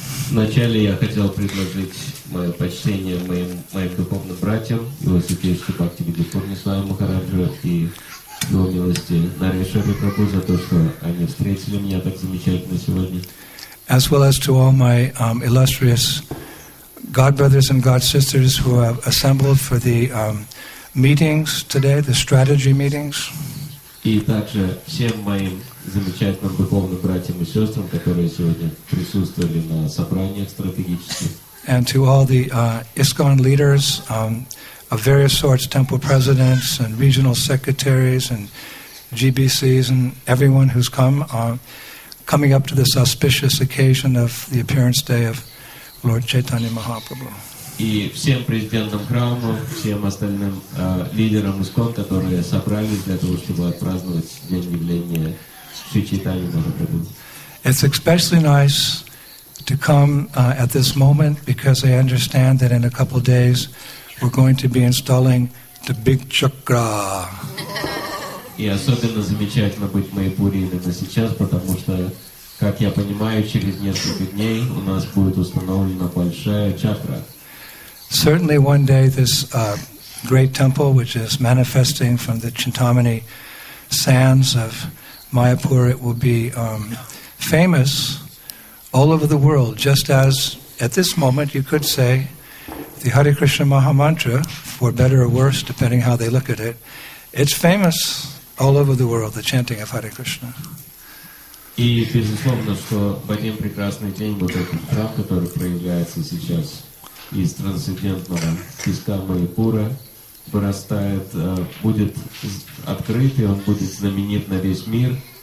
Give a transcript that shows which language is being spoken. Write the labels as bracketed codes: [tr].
[ru] Вначале я хотел предложить мое почтение моим духовным братьям, его святейшему Бхактивиде Пурне Сваме Махараджу и его милости Нарешаре Прабху за то, что они встретили меня так замечательно сегодня. [en] As well as to all my illustrious godbrothers and godsisters who have assembled for the meetings today, the strategy meetings. [ru] И также всем моим замечательным духовным братьям и сестрам, которые сегодня присутствовали на собраниях стратегических. [en] And to all the ISKCON leaders of various sorts, temple presidents and regional secretaries and GBCs and everyone who's come coming up to this auspicious occasion of the appearance day of Lord Chaitanya Mahaprabhu. [ru] И всем президентам храма, всем остальным лидерам ISKCON, которые собрались для того, чтобы отпраздновать день явления Шри Чайтаньи Махапрабху. [en] It's especially nice to come at this moment because I understand that in a couple of days we're going to be installing the big chakra. [ru] И особенно замечательно быть в Майпуре именно сейчас, потому что, как я понимаю, через несколько дней у нас будет установлена большая чакра. [en] Certainly one day this great temple, which is manifesting from the Chintamani sands of Mayapur, it will be famous all over the world, just as at this moment you could say the Hare Krishna Maha Mantra, for better or worse, depending how they look at it, it's famous all over the world, the chanting of Hare Krishna. [ru] И безусловно, что в один прекрасный день вот этот храм, который проявляется сейчас из трансцендентного песка Майпура, вырастает, будет открыт, и он будет знаменит на весь мир.